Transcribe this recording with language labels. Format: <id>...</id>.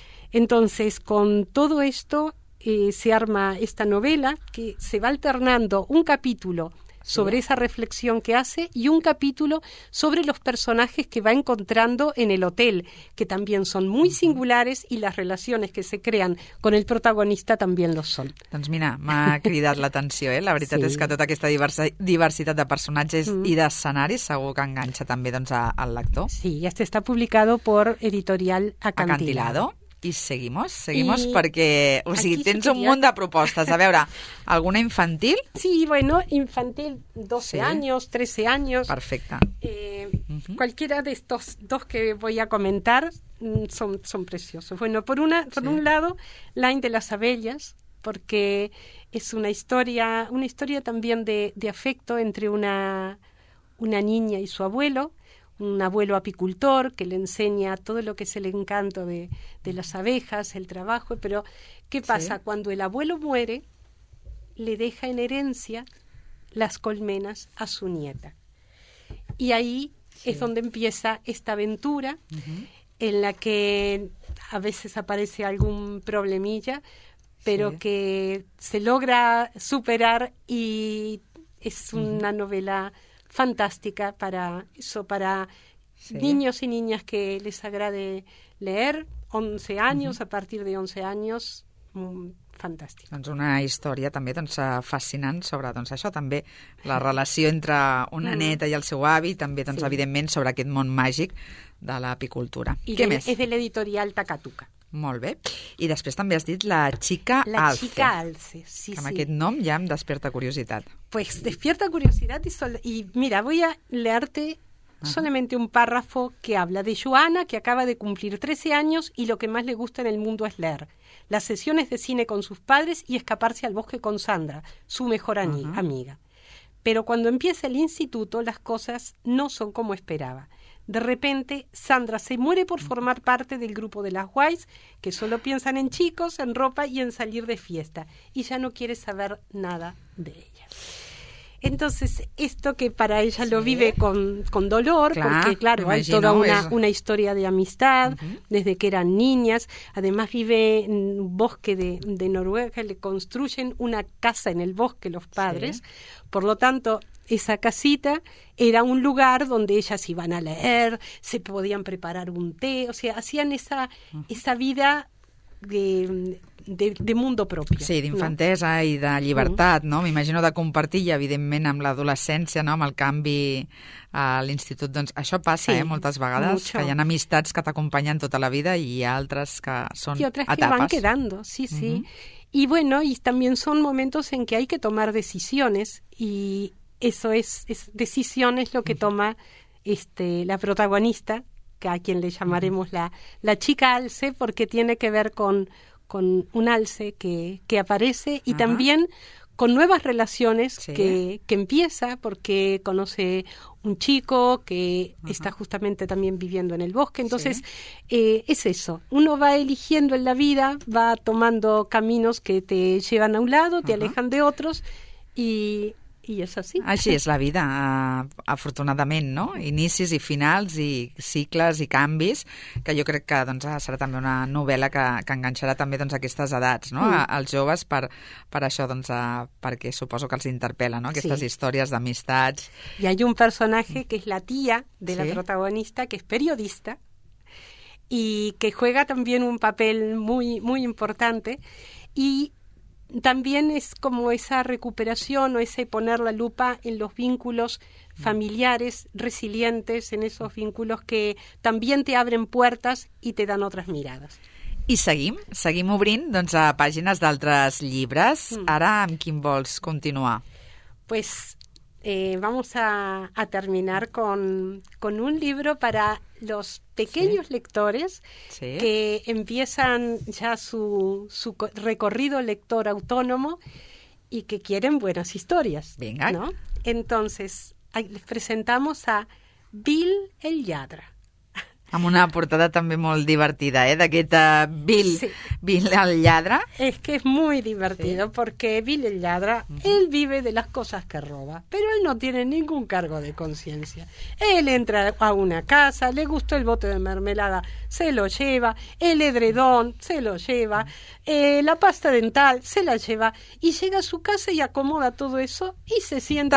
<es>Entonces, con todo esto, se arma esta novela que se va alternando un capítulo sobre esa reflexión que hace y un capítulo sobre los personajes que va encontrando en el hotel, que también son muy singulares, y las relaciones que se crean con el protagonista también lo son.</es> <ca>Doncs mira, m'ha cridat l'atenció, La veritat és que tota aquesta diversitat de personatges i d'escenaris segur que enganxa també al lector.</ca> <es>Sí, este está publicado por Editorial Acantilado.</es> <ca>I seguimos, perquè, tens un munt de propostes. A veure, alguna infantil?</ca> <es>Sí, infantil, 12 años, 13 años.</es> <ca>Perfecte.</ca> <es>Cualquiera de estos dos que voy a comentar son preciosos. Por un lado, Line de las abellas, porque es una historia también de afecto entre una niña y su abuelo. Un abuelo apicultor que le enseña todo lo que es el encanto de las abejas, el trabajo. Pero, ¿qué pasa? Sí. Cuando el abuelo muere, le deja en herencia las colmenas a su nieta. Y ahí es donde empieza esta aventura, en la que a veces aparece algún problemilla, pero que se logra superar, y es una novela fantástica para niños y niñas que les agrade leer, 11 años, a partir de 11 años, fantàstic.</es> <ca>Doncs una història també fascinant sobre això, també la relació entre una neta i el seu avi, també evidentment sobre aquest món màgic de l'apicultura. Què més? És de l'editorial Takatuka. Molt bé. I després també has dit La xica Alce. La xica Alce, sí. Amb aquest nom ja em desperta curiositat.</ca> <es>Pues despierta curiosidad y mira, voy a leerte solamente un párrafo que habla de Joana, que acaba de cumplir 13 años y lo que más le gusta en el mundo es leer. Las sesiones de cine con sus padres y escaparse al bosque con Sandra, su mejor amiga. Pero cuando empieza el instituto, las cosas no son como esperaba. De repente, Sandra se muere por formar parte del grupo de las guays, que solo piensan en chicos, en ropa y en salir de fiesta, y ya no quiere saber nada de ella. Entonces, esto que para ella lo vive con dolor, hay toda una historia de amistad, desde que eran niñas, además vive en un bosque de Noruega, le construyen una casa en el bosque los padres, por lo tanto, esa casita era un lugar donde ellas iban a leer, se podían preparar un té, o sea, hacían esa vida de mundo propio.</es> <ca>Sí, d'infantesa i de llibertat, no? M'imagino de compartir, i evidentment amb l'adolescència, no? Amb el canvi a l'institut, doncs això passa, moltes vegades, que hi ha amistats que t'acompanyen tota la vida i altres que són etapes. I altres que</ca> <es>van quedando, sí. Y bueno, y también son momentos en que hay que tomar decisiones, y eso es decisión es lo que toma la protagonista, a quien le llamaremos la chica Alce, porque tiene que ver con un alce que aparece, y también con nuevas relaciones que empieza, porque conoce un chico que está justamente también viviendo en el bosque. Entonces, es eso. Uno va eligiendo en la vida, va tomando caminos que te llevan a un lado, te alejan de otros, y</es> <ca>I és així. Així és la vida, afortunadament, no? Inicis i finals i cicles i canvis, que jo crec que doncs, serà també una novel·la que enganxarà també doncs, aquestes edats, no? Els joves, per això, doncs, perquè suposo que els interpel·la, no? Aquestes sí. Històries d'amistats. Hi ha un personatge que és la tia de la protagonista, que és periodista,</ca> <es>i que juega també un paper muy, muy importante, i también es como esa recuperación o ese poner la lupa en los vínculos familiares resilientes, en esos vínculos que también te abren puertas y te dan otras miradas.</es> <ca>I seguim obrint doncs, a pàgines d'altres llibres. Ara, amb quin vols continuar?</ca> <es>Pues vamos a terminar con un libro para los pequeños lectores que empiezan ya su recorrido lector autónomo y que quieren buenas historias. Venga. ¿No? Entonces, les presentamos a Bill el Lladre.</es> <ca>Amb una portada també molt divertida, d'aquest Bill, Bill el Lladre.</ca> <es>Es que es muy divertido porque Bill el Lladre, él vive de las cosas que roba, pero él no tiene ningún cargo de conciencia. Él entra a una casa, le gustó el bote de mermelada, se lo lleva, el edredón, se lo lleva, la pasta dental, se la lleva, y llega a su casa y acomoda todo eso y se siente</es>